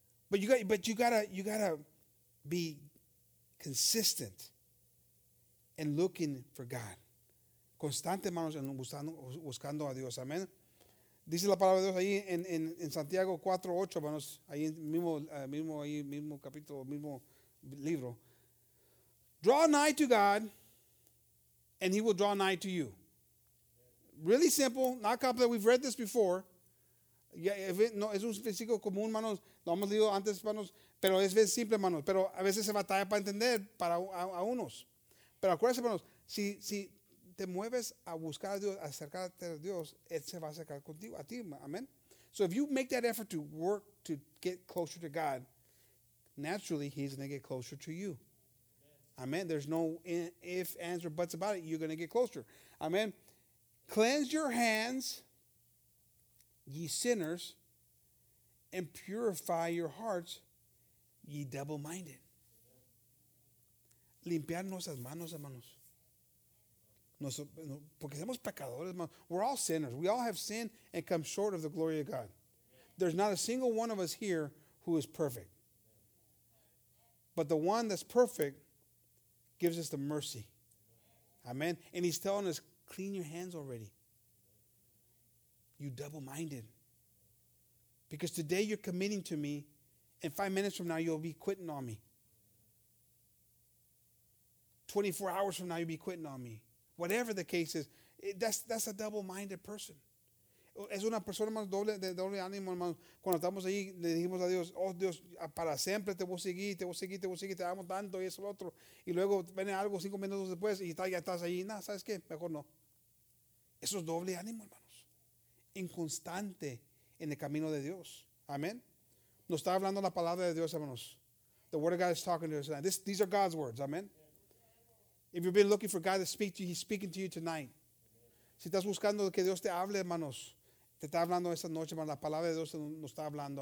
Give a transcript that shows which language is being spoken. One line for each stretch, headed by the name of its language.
English: But you gotta be consistent in looking for God.
Spanish: Constante, hermanos, en buscando a Dios. Amén. Dice la palabra de Dios ahí en Santiago 4:8, hermanos, ahí mismo capítulo, mismo libro.
English: Draw nigh to God, and he will draw nigh to you. Really simple, not complicated. We've read this before. Yeah, no,
Spanish: es un versículo común, hermanos. Lo hemos leído antes, hermanos, pero es bien simple, hermanos. Pero a veces se batalla para entender para a unos. Pero acuérdense, hermanos, si te mueves a buscar a Dios, a acercarte a Dios, Él se va a acercar contigo, a ti, amén.
English: So if you make that effort to work to get closer to God, naturally, he's going to get closer to you. Amén. There's no if, ands, or buts about it. You're going to get closer. Amén. Cleanse your hands, ye sinners, and purify your hearts, ye double-minded.
Spanish: Limpiar nuestras manos, hermanos. Porque somos pecadores, hermanos.
English: We're all sinners. We all have sinned and come short of the glory of God. There's not a single one of us here who is perfect. But the one that's perfect gives us the mercy. Amen. And he's telling us, clean your hands already. You double-minded. Because today you're committing to me, and 5 minutes from now you'll be quitting on me. 24 hours from now you'll be quitting on me. Whatever the case is, that's a double-minded person.
Spanish: Es una persona, hermano, doble ánimo, hermano. Cuando estamos ahí, le dijimos a Dios, oh Dios, para siempre te voy a seguir, te voy a seguir, te voy a seguir, te amo tanto y eso lo otro. Y luego viene algo 5 minutos después y ya estás ahí, nada, ¿sabes qué? Mejor no. Eso es doble ánimo, hermanos. Inconstante en el camino de Dios. Amén. Nos está hablando la palabra de Dios, hermanos.
English: The word of God is talking to us tonight. These are God's words, amen. If you've been looking for God to speak to you, he's speaking to you tonight.
Spanish: Si estás buscando que Dios te hable, hermanos, te está hablando esta noche, hermanos. La palabra de Dios nos está hablando.